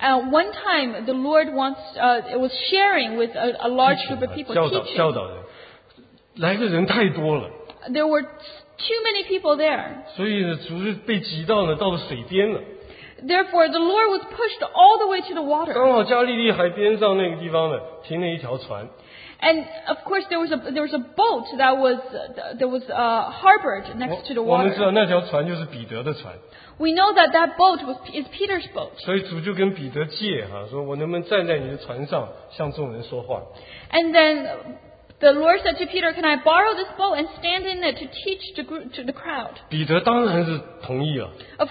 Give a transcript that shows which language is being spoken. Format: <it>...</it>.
<en>One time, the Lord was sharing with a large group of people,</en> <zh>教导人，来的人太多了。</zh> <en>There were too many people there.</en> <zh>所以呢,主是被挤到了,到了水边了。</zh> <en>Therefore, the Lord was pushed all the way to the water.</en> <zh>刚好加利利海边上那个地方呢,停了一条船。</zh> <en>And of course, there was a boat that was harbored next to the water.</en> <zh>我们知道那条船就是彼得的船。</zh> <en>We know that boat is Peter's boat.</en> <zh>所以主就跟彼得借,说我能不能站在你的船上向众人说话。</zh> <en>And then the Lord said to Peter, can I borrow this boat and stand in it to teach the group, to the crowd?</en> <zh>彼得当然是同意了。</zh> <en>Of</en>